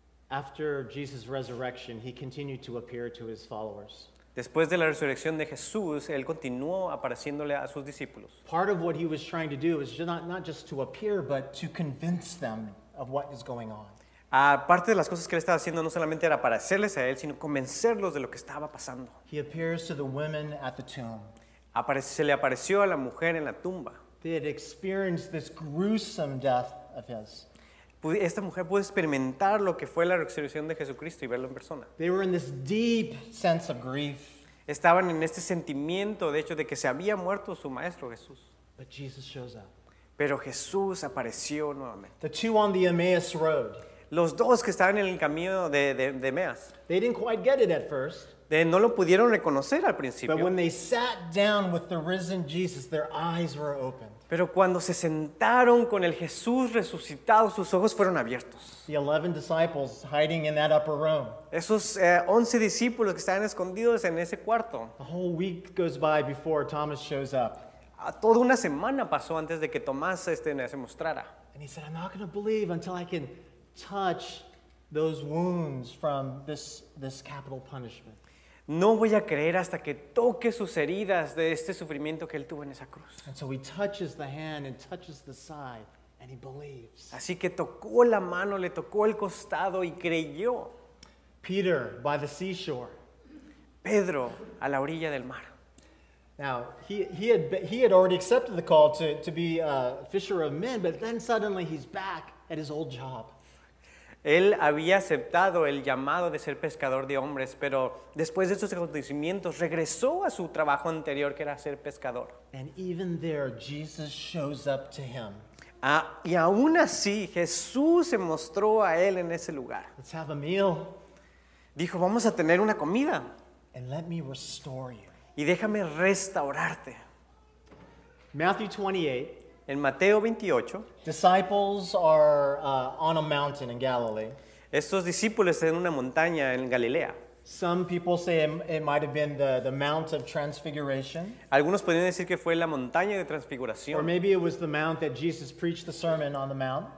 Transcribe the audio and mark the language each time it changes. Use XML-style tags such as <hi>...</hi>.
<en>After Jesus' resurrection, he continued to appear to his followers.</en> <es>Después de la resurrección de Jesús, él continuó apareciéndole a sus discípulos.</es> <en>Part of what he was trying to do is not just to appear, but to convince them of what is going on.</en> <es>Parte de las cosas que él estaba haciendo no solamente era aparecerles a él, sino convencerlos de lo que estaba pasando.</es> <en>He appears to the women at the tomb.</en> <es>Se le apareció a la mujer en la tumba.</es> <en>They had experienced this gruesome death of his.</en> <es>Esta mujer pudo experimentar lo que fue la resurrección de Jesucristo y verlo en persona.</es> <en>They were in this deep sense of grief.</en> <es>Estaban en este sentimiento, de hecho, de que se había muerto su maestro Jesús.</es> <en>But Jesus shows up.</en> <es>Pero Jesús apareció nuevamente.</es> <en>The two on the Emmaus Road.</en> <es>Los dos que estaban en el camino de Emmaus.</es> <en>They didn't quite get it at first.</en> <es>No lo pudieron reconocer al principio.</es> <en>But when they sat down with the risen Jesus, their eyes were opened.</en> <es>Pero cuando se sentaron con el Jesús resucitado, sus ojos fueron abiertos.</es> <en>The 11 disciples hiding in that upper room.</en> <es>Esos 11 discípulos que estaban escondidos en ese cuarto.</es> <en>A whole week goes by before Thomas shows up.</en> <es>Toda una semana pasó antes de que Tomás se mostrara.</es> <en>And he said, I'm not going to believe until I can touch those wounds from this capital punishment.</en> <es>No voy a creer hasta que toque sus heridas de este sufrimiento que él tuvo en esa cruz.</es> <en>And so he touches the hand and touches the side and he believes.</en> <es>Así que tocó la mano, le tocó el costado y creyó.</es> <en>Peter by the seashore.</en> <es>Pedro a la orilla del mar.</es> <en>Now, he had already accepted the call to be a fisher of men, but then suddenly he's back at his old job.</en> <es>Él había aceptado el llamado de ser pescador de hombres, pero después de estos acontecimientos regresó a su trabajo anterior, que era ser pescador.</es> <en>And even there, Jesus shows up to him.</en> <es>Y aún así, Jesús se mostró a él en ese lugar.</es> <en>Let's have a meal.</en> <es>Dijo, vamos a tener una comida.</es> <en>And let me restore you.</en> <es>Y déjame restaurarte.</es> <en>Matthew 28.</en> <es>En Mateo 28,</es> <en>disciples are on a mountain in Galilee.</en> <es>Estos discípulos están en una montaña en Galilea.</es> <en>Some people say it might have been the Mount of Transfiguration.</en> <es>Algunos podrían decir que fue la montaña de transfiguración.</es> <en>Or maybe it was the Mount that Jesus preached the sermon on the Mount.</en>